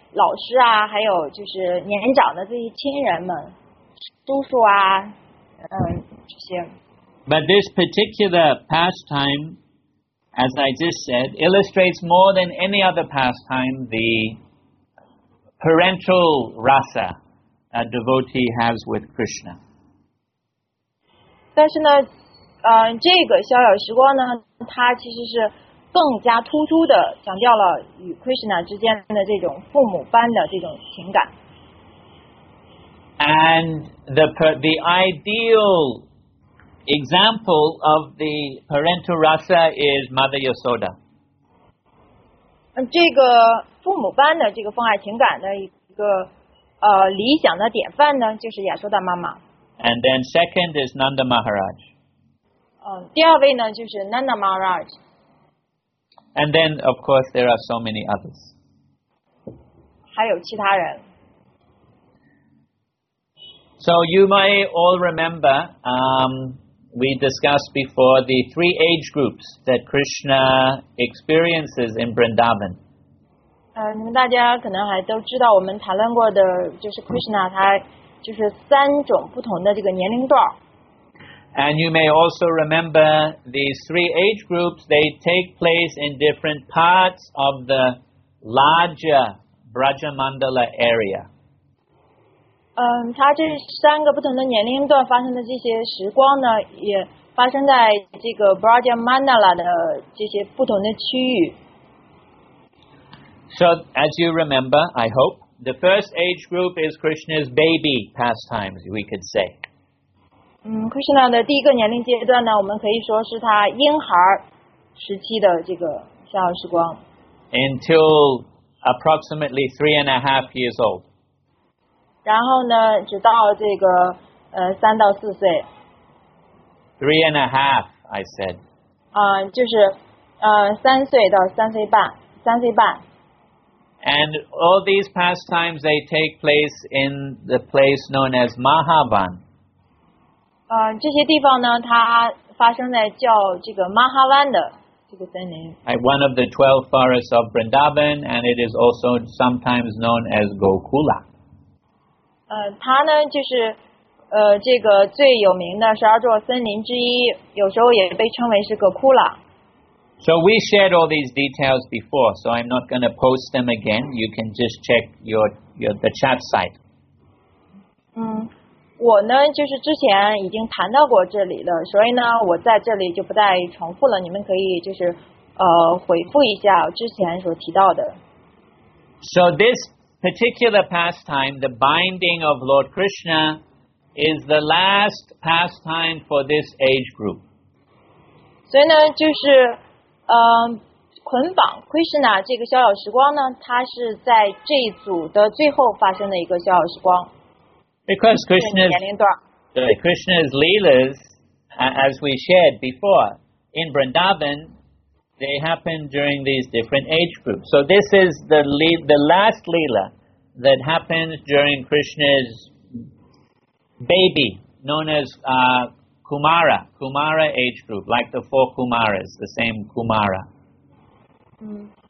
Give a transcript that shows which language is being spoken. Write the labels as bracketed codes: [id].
[zh] 老师啊，还有就是年长的这些亲人们，叔叔啊，这些。 [en] But this particular pastime, as I just said, illustrates more than any other pastime the parental rasa a devotee has with Krishna. [zh] 但是呢，这个逍遥时光呢，它其实是。更加突出的强调了与 Krishna 之间的这种父母般的这种情感。 [en] And the ideal example of the parental rasa is Mother Yasoda. [zh] 这个父母般的这个父爱情感的一个理想的典范呢，就是亚苏达妈妈。 [en] And then second is Nanda Maharaj. [zh] 第二位呢就是 Nanda Maharaj。 [en] And then, of course, there are so many others. [zh] 还有其他人。 [en] So you may all remember, we discussed before the three age groups that Krishna experiences in Vrindavan. [zh] 你们大家可能还都知道，我们谈论过的就是 Krishna 他就是三种不同的这个年龄段。 [en] And you may also remember these three age groups, they take place in different parts of the larger Brajamandala area. [zh] 它这三个不同的年龄段发生的这些时光呢，也发生在这个 Brajamandala 的这些不同的区域。 [en] So, as you remember, I hope, the first age group is Krishna's baby pastimes, we could say. [zh] Krishna 的第一个年龄阶段呢，我们可以说是他婴孩时期的这个逍遥时光。 [en] Until approximately 3.5 years old. [zh] 然后呢，直到这个三到四岁。 [en] 3.5, I said. [zh] 就是三岁到三岁半，三岁半。 [en] And all these pastimes they take place in the place known as Mahavan. [zh] 这些地方呢，它发生在叫这个 Mahavan 的这个森林。 [en] One of the 12 forests of Vrindavan, and it is also sometimes known as Gokula. [zh] 它呢就是这个最有名的十二座森林之一，有时候也被称为是 Gokula. [en] So we shared all these details before, so I'm not going to post them again. You can just check your the chat site. [zh] 我呢，就是之前已经谈到过这里了，所以呢，我在这里就不再重复了。你们可以就是回复一下之前所提到的。 [en] So this particular pastime, the binding of Lord Krishna, is the last pastime for this age group. [zh] 所以呢，就是捆绑 Krishna 这个逍遥时光呢，它是在这一组的最后发生的一个逍遥时光。 [en] Because Krishna's leelas, as we shared before, in Vrindavan, they happen during these different age groups. So this is the last leela that happens during Krishna's baby, known as Kumara age group, like the four Kumaras, the same Kumara.